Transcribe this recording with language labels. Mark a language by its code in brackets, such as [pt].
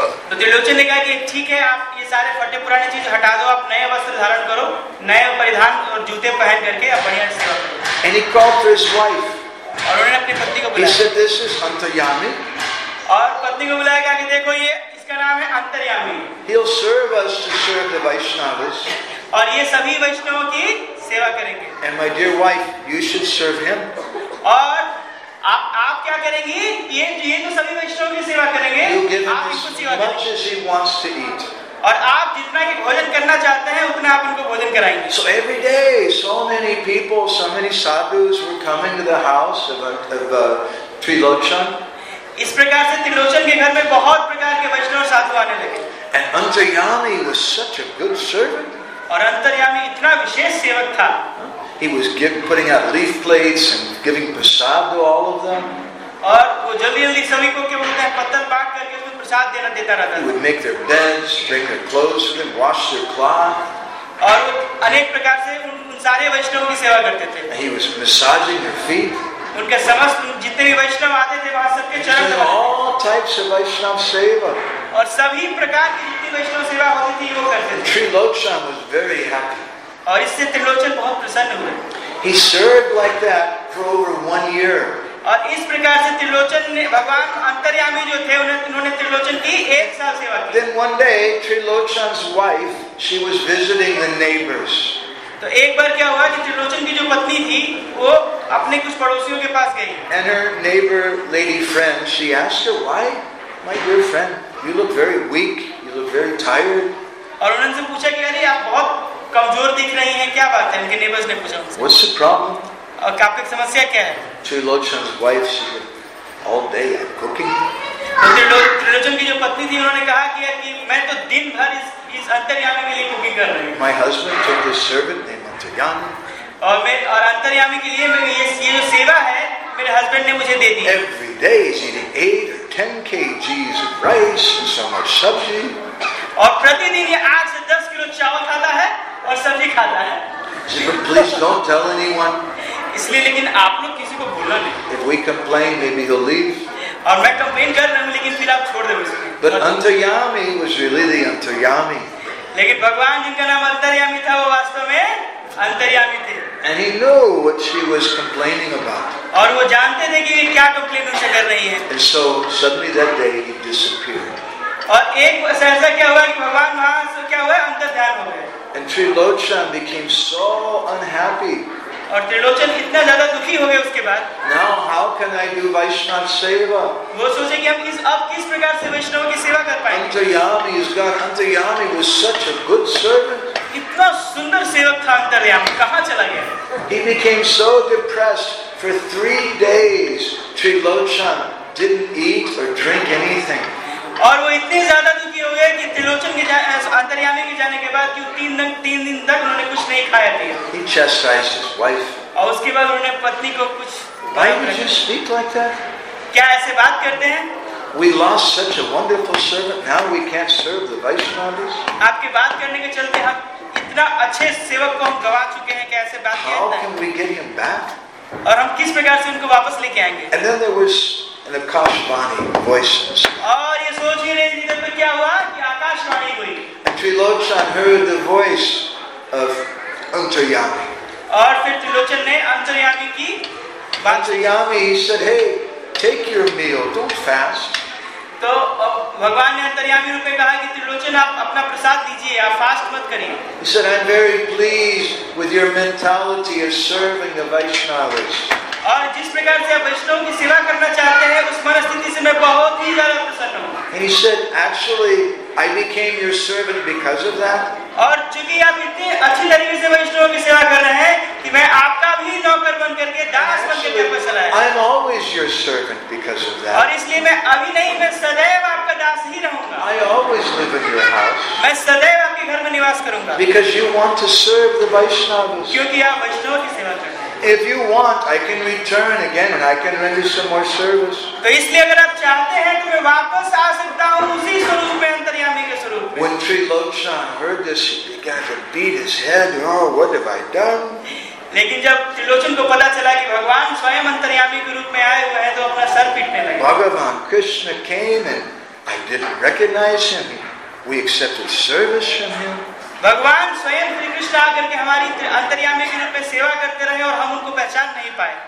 [hi] तो त्रिलोचन ने कहा कि ठीक है आप ये सारे फटे पुराने चीज हटा दो आप नए वस्त्र धारण करो नए परिधान और जूते पहन करके आप बढ़िया से करो. [en] And he called for his wife. [hi] और उन्होंने अपनी पत्नी को बुलाया. [en] He said, "This is Antaryami." [hi] और पत्नी को बुलाया कहा कि देखो ये इसका नाम है अंतर्यामी. [en] He'll serve us to serve the Vaishnavas. [hi] और ये सभी वैष्णवों की सेवा करेंगे. [en] And my dear wife, you should serve him. [hi] और आप क्या करेंगी ये तो सभी वैष्णवों की सेवा करेंगे. [en] You give him as much as he wants to eat. [hi] और आप जितना कि भोजन करना चाहते हैं उतना आप उनको भोजन कराएंगे. [en] So every day, so many people, so many sadhus were coming to the house of Trilochan. [hi] इस प्रकार से त्रिलोचन के घर में बहुत प्रकार के वैष्णव साधु आने लगे. [en] And Antaryami was such a good servant. [hi] और अंतर्यामी इतना विशेष सेवक था. [en] He was putting out leaflets and giving prasad to all of them. [hi] और वो जल्दी जल्दी सभी को क्या बोलते हैं पत्थर बांट करके उसमें प्रसाद देना देता रहता था. [en] He would make their beds, bring their clothes for them, wash their cloth. [hi] और अनेक प्रकार से उन सारे वैष्णव की सेवा करते थे. [en] He was massaging their feet. [hi] उनके समस्त जितने भी वैष्णव आते थे वहां सबके चरण धोते थे. [en] All types of Vaishnav seva. [hi] और सभी प्रकार की जितनी वैष्णव सेवा होती थी वो करते थे. [en] Trilochan was very happy. [hi] और इससे त्रिलोचन बहुत प्रसन्न हुए. [en] He served like that for over one year. [hi] और इस प्रकार से त्रिलोचन ने भगवान अंतर्यामी जो थे उन्होंने त्रिलोचन की एक साल सेवा की. [en] Then one day, Trilochan's wife, she was visiting the neighbors. [hi] तो एक बार क्या हुआ कि त्रिलोचन की जो पत्नी थी वो अपने कुछ पड़ोसियों के पास गई. [en] And her neighbor lady friend, she asked her, "Why, my dear friend, you look very weak, you look very tired." [hi] और उन्होंने से पूछा कि अरे आप बहुत कमजोर दिख रही हैं, क्या बात है? उनके नेबर्स ने पूछा उनसे, [en] "What's the problem?" [hi] और आपकी समस्या क्या है? [en] Trilochan's wife, she said, "All day I'm cooking." [hi] Trilochan की जो पत्नी थी उन्होंने कहा कि मैं तो दिन भर इस अंतर्यामी के लिए कुकिंग कर रही हूँ. [en] My husband took this servant named Antaryami. [hi] और अंतर्यामी के लिए ये जो सेवा है मेरे हस्बैंड ने मुझे दे दी. [en] Every day he's eating 8 or 10 kgs of rice and so much sabji. [hi] और प्रतिदिन ये 8 से 10 किलो चावल खाता है और सब्जी खाता है. [en] But please don't tell anyone. [hi] इसलिए लेकिन आप लोग किसी को बोलना नहीं. [en] If we complain, maybe he'll leave. [hi] और मैं कंप्लेन कर रहा हूँ लेकिन फिर आप छोड़ देंगे. [en] But Antaryami was really the Antaryami. [hi] लेकिन भगवान जिनका नाम अंतर्यामी था वो वास्तव में अंतर्यामी थे. [en] And he knew what she was complaining about. [hi] और वो जानते थे कि क्या कंप्लेन उनसे कर रही हैं. [en] And so suddenly that day he disappeared. [hi] और एक ऐसा क्या हुआ कि भगवान वहां से क्या हुआ अंतर्ध्यान हो गए. [en] And Trilochan became so unhappy. [hi] और त्रिलोचन इतना ज्यादा दुखी हो गए उसके बाद. [en] Now how can I do Vaishnav seva? [hi] वो सोचे कि अब किस प्रकार से वैष्णव की सेवा कर पाएंगे? [en] Antaryami is God. Antaryami was such a good servant. [hi] इतना सुंदर सेवक था अंतर्यामी, कहाँ चला गया? [en] He became so depressed for 3 days. Trilochan didn't eat or drink anything. [hi] और वो इतने ज्यादा दुखी हो गए कि त्रिलोचन के अंतर्यामी के जाने के बाद क्यों तीन दिन तक उन्होंने कुछ नहीं खाया पिया. [en] He chastised his wife. [hi] और उसके बाद उन्होंने पत्नी को कुछ. [en] Why would you speak like that? [hi] क्या ऐसे बात करते हैं? [en] We lost such a wonderful servant. Now we can't serve the Vaishnavas. [hi] आपकी बात करने के चलते हम इतना अच्छे सेवक को हम गवा चुके हैं, क्या ऐसे बात करते हैं? [en] How can we get him back? [hi] और हम किस प्रकार से उनको वापस लेके आएंगे? [en] And then there was an Akashvani voice. [hi] और ये सोच ही रहे थे पर क्या हुआ कि आकाशवाणी हुई. [en] And Trilochan heard the voice of Antaryami. [hi] और फिर त्रिलोचन ने अंतर्यामी की बात. [en] Antaryami said, "Hey, take your meal. Don't fast." [hi] तो भगवान ने अंतर्यामी रूप में कहा कि त्रिलोचन आप अपना प्रसाद लीजिए, आप फास्ट मत करिए. [en] He said, "I'm very pleased with your mentality of serving the Vaishnavas." [hi] और जिस प्रकार से आप वैष्णव की सेवा करना चाहते हैं उस मनस्थिति से मैं बहुत ही ज्यादा प्रसन्न हूँ. [en] And he said, "Actually, I became your servant because of that." [hi] और चूंकि आप इतने अच्छी तरीके से वैष्णव की सेवा कर रहे हैं कि मैं आपका भी नौकर बन करके दास बन करके चला है. [en] I'm always your servant because of that. [hi] और इसलिए मैं अभी नहीं, मैं सदैव आपका दास ही रहूंगा. [en] I always live in your house. [hi] मैं सदैव आपके घर में निवास करूंगा. [en] Because you want to serve the Vaishnavas. [hi] क्योंकि आप वैष्णव की सेवा कर रहे हैं. [en] If you want, I can return again and I can render some more service. [hi] तो इसलिए अगर आप चाहते हैं तो मैं वापस आ सकता हूँ उसी स्वरूप में, अंतर्यामी के स्वरूप में. [en] When Trilochan heard this, he began to beat his head. Oh, what have I done? [hi] लेकिन जब त्रिलोचन को पता चला कि भगवान स्वयं अंतर्यामी के रूप में आए हुए हैं तो अपना सर पीटने लगे. [en] Bhagavan Krishna came and I didn't recognize him. We accepted service from him. [hi] भगवान स्वयं श्री कृष्ण आकर के हमारी अंतर्यामी के रूप में सेवा करते रहे और हम उनको पहचान नहीं पाए.